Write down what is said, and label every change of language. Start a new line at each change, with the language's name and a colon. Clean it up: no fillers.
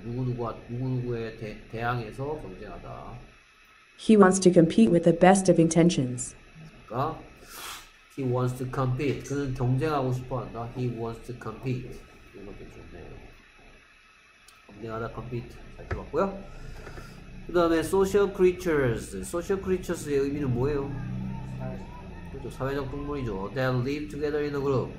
Korean: 누구누구와 누구누구에 대항해서 경쟁하다.
English: He wants to compete with the best of intentions.
Korean: 그러니까
English: he wants to compete.
Korean: 그는 경쟁하고 싶어한다.
English: He wants to compete.
Korean: 이런 것도 좋네요. 경쟁하다 compete 잘 들어봤고요. 그다음에 social creatures. social creatures의 의미는 뭐예요? 그렇죠. 사회적 동물이죠.
English: They live together in a group.